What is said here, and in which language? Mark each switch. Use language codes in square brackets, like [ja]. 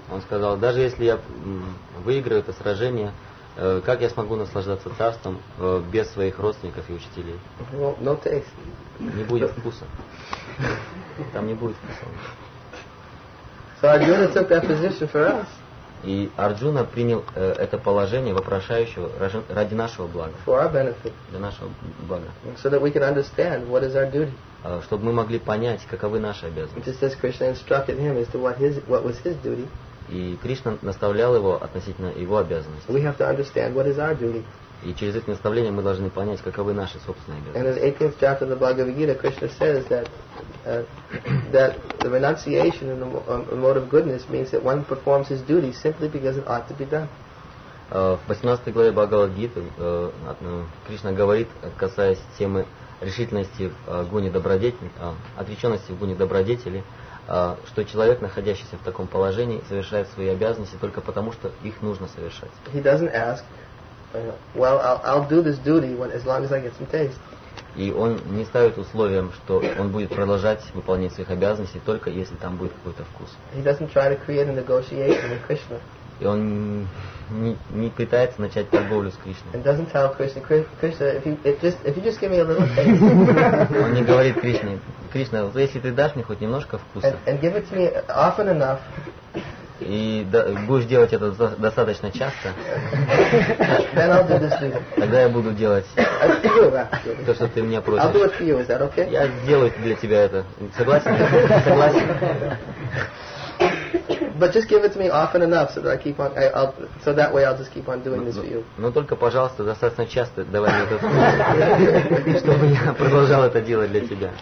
[ru] Он сказал, даже если я выиграю это сражение, как я смогу наслаждаться царством без своих родственников и учителей? [en] Well, no taste. [ru] Не будет вкуса. Там не будет вкуса. [en] So Arjuna took that position for us. [ru] И Арджуна принял это положение вопрошающего ради нашего блага. [en] For our benefit. [ru] Для нашего блага. [en] So that we can understand what is our duty. [ru] Чтобы мы могли понять, каковы наши обязанности. [en] Just as Krishna instructed him as to what was his duty. [ru] И Кришна наставлял его относительно его обязанностей. [en] We have to understand what is our duty. [ru] И через это наставление мы должны понять, каковы наши собственные обязанности. [en] And in the 18th chapter of the Bhagavad Gita, Krishna says that that the renunciation and the mode of goodness means that one performs his duty simply because it ought to be done. [ru] В 18 главе Бхагавад Гиты Кришна говорит, касаясь темы решительности в гуне добродетели, отреченности в гуне добродетели, что человек, находящийся в таком положении, совершает свои обязанности только потому, что их нужно совершать. [en] He doesn't ask, well, I'll do this duty when, as long as I get some taste. [ru] И он не ставит условием, что он будет продолжать выполнять своих обязанностей только если там будет какой-то вкус. [en] He doesn't try to create a negotiation with Krishna. [ru] И он не пытается начать торговлю с Кришной. [en] And doesn't tell Krishna, Krishna, if you just give me a little taste. [ru] Он не говорит Кришне, Кришна, вот если ты дашь мне хоть немножко вкуса. [en] And give it to me often enough. [ru] И будешь делать это достаточно часто. [en] Then I'll do this duty. [ru] Тогда я буду делать то, что ты мне просишь. [en] I'll do it for you, is that okay? [ru] Я сделаю для тебя это. Согласен? Согласен. [en] But just give it to me often enough so that I keep on, so that way I'll just keep on doing this for you. [ru] Но только, пожалуйста, достаточно часто давай мне этот вкус, чтобы я продолжал это делать для тебя.